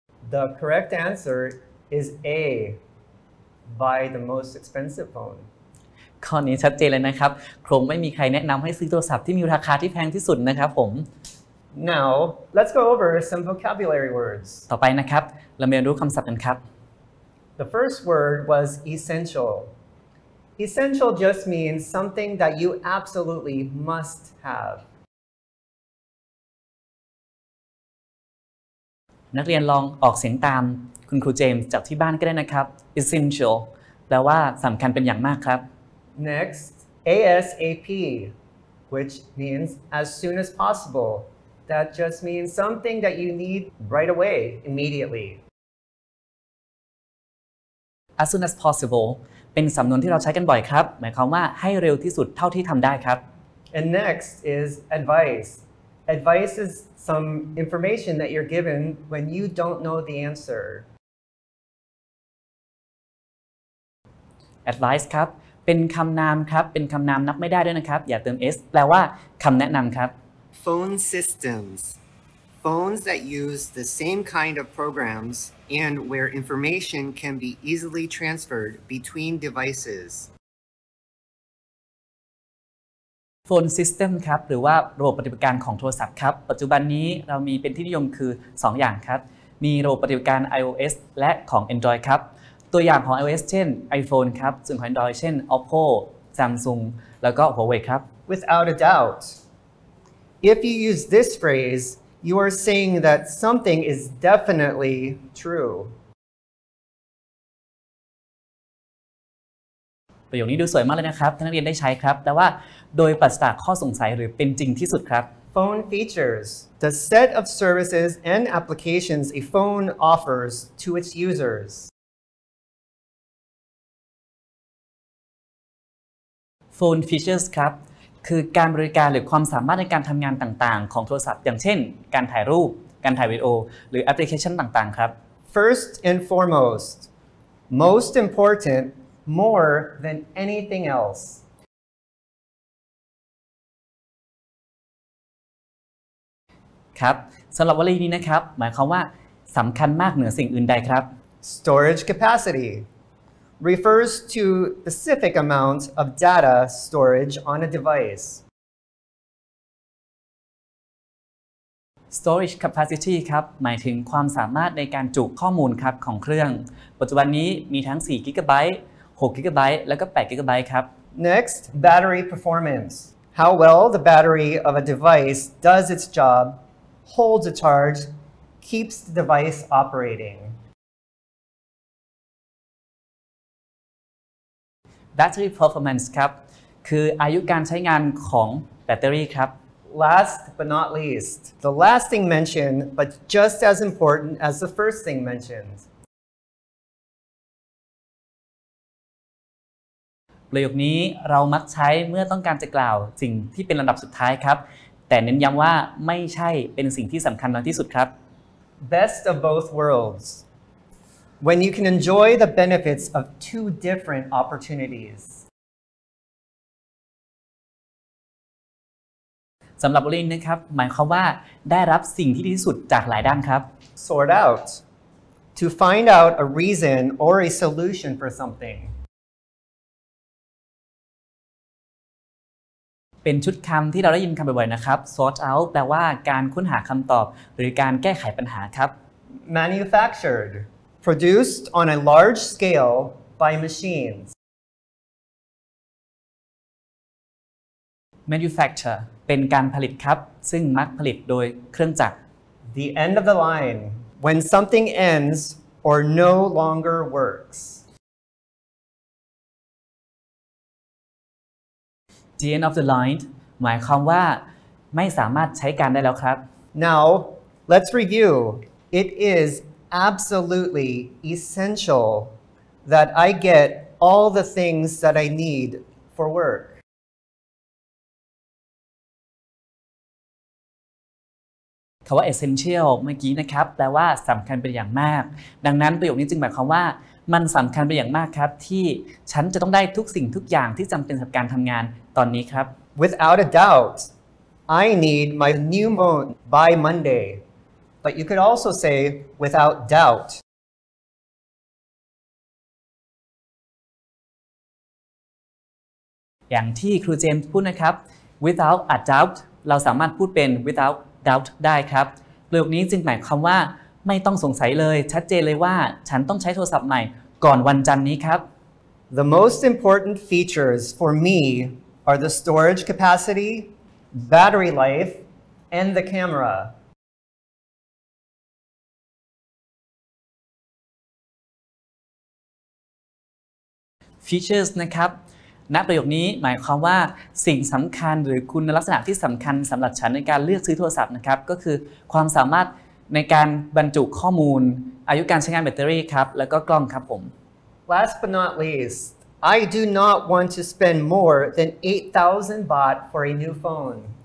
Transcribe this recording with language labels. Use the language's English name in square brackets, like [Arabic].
[English] The correct answer is A. Buy the most expensive phone. [Thai] ข้อนี้ชัดเจนเลยนะครับคงไม่มีใครแนะนำให้ซื้อโทรศัพท์ที่มีราคาที่แพงที่สุดนะครับผม [English] Now, let's go over some vocabulary words. [Thai] ต่อไปนะครับเราเรียนรู้คำศัพท์กันครับ [English] The first word was essential. Essential just means something that you absolutely must have. [Thai] นักเรียนลองออกเสียงตามคุณครูเจมส์จากที่บ้านก็ได้นะครับ essential แปลว่าสำคัญเป็นอย่างมากครับ [English] next ASAP which means as soon as possible that just means something that you need right away immediately as soon as possible [Thai] เป็นสำนวนที่เราใช้กันบ่อยครับหมายความว่าให้เร็วที่สุดเท่าที่ทำได้ครับ [English] And next is advice. Advice is some information that you're given when you don't know the answer. [Thai] Advice ครับเป็นคำนามครับเป็นคำนามนับไม่ได้ด้วยนะครับอย่าเติม s แปลว่าคำแนะนำครับ [English] Phone systems. Phones that use the same kind of programs and where information can be easily transferred between devices. Phone system [Thai] ครับหรือว่าระบบปฏิบัติการของโทรศัพท์ครับปัจจุบันนี้เรามีเป็นที่นิยมคือ2อย่างครับมีระบบปฏิบัติการ iOS และของ Android ครับตัวอย่างของ iOS เช่น iPhone ครับส่วนของ Android เช่น Oppo Samsung แล้วก็ Huawei ครับ [English] Without a doubt if you use this phrase you are saying that something is definitely true [Thai] ประโยคนี้ดูสวยมากเลยนะครับท่านนักเรียนได้ใช้ครับแต่ว่าโดยปราศจากข้อสงสัยหรือเป็นจริงที่สุดครับ [English] Phone features the set of services and applications a phone offers to its users Phone features [Thai] ครับคือการบริการหรือความสามารถในการทำงานต่างๆของโทรศัพท์อย่างเช่นการถ่ายรูปการถ่ายวิดีโอหรือแอปพลิเคชันต่างๆครับ [English] First and foremost most importantmore than anything else [Thai] ครับสำหรับวลีนี้นะครับหมายความว่าสำคัญมากเหนือสิ่งอื่นใดครับ [English] storage capacity refers to specific amount of data storage on a device storage capacity [Thai] ครับหมายถึงความสามารถในการจุข้อมูลครับของเครื่องปัจจุบันนี้มีทั้ง4 GB 6 GB แล้วก็ 8 GB ครับ [English] Next, battery performance. How well the battery of a device does its job, holds a charge, keeps the device operating. Battery performance [Thai] ครับคืออายุการใช้งานของแบตเตอรี่ครับ [English] Last but not least, the last thing mentioned, but just as important as the first thing mentioned. [Thai] ประโยคนี้เรามักใช้เมื่อต้องการจะกล่าวสิ่งที่เป็นลำดับสุดท้ายครับแต่เน้นย้ำว่าไม่ใช่เป็นสิ่งที่สำคัญที่สุดครับ [English] Best of both worlds when you can enjoy the benefits of two different opportunities [Thai] สำหรับลินนะครับหมายความว่าได้รับสิ่งที่ดีที่สุดจากหลายด้านครับ [English] Sort out to find out a reason or a solution for something [Thai] เป็นชุดคำที่เราได้ยินคำบ่อยๆนะครับ [English] sort out [Thai] แปลว่าการค้นหาคำตอบหรือการแก้ไขปัญหาครับ [English] manufactured produced on a large scale by machines [Thai] manufacture เป็นการผลิตครับซึ่งมักผลิตโดยเครื่องจักร [English] the end of the line when something ends or no longer works The end of the line [Thai] หมายความว่าไม่สามารถใช้การได้แล้วครับ [English] Now let's review. It is absolutely essential that I get all the things that I need for work. [Thai] คำว่า essential เมื่อกี้นะครับแปลว่าสำคัญเป็นอย่างมากดังนั้นประโยคนี้จึงหมายความว่ามันสำคัญเป็นอย่างมากครับที่ฉันจะต้องได้ทุกสิ่งทุกอย่างที่จำเป็นสำหรับการทำงานตอนนี้ครับ [English] Without a doubt, I need my new phone by Monday. But you could also say without doubt. [Thai] อย่างที่ครูเจมส์พูดนะครับ [English] without a doubt [Thai] เราสามารถพูดเป็น [English] without doubt [Thai] ได้ครับประโยคนี้จึงหมายความว่าไม่ต้องสงสัยเลยชัดเจนเลยว่าฉันต้องใช้โทรศัพท์ใหม่ก่อนวันจันทร์นี้ครับ [English] The most important features for me are the storage capacity, battery life, and the camera. [Thai] Features นะครับณประโยคนี้หมายความว่าสิ่งสำคัญหรือคุณลักษณะที่สำคัญสำหรับฉันในการเลือกซื้อโทรศัพท์นะครับก็คือความสามารถในการบรรจุข้อมูลอายุการใช้งานแบตเตอรี่ครับแล้วก็กล้องครับผม [English] Last but not least, I do not want to spend more than 8,000 baht for a new phone.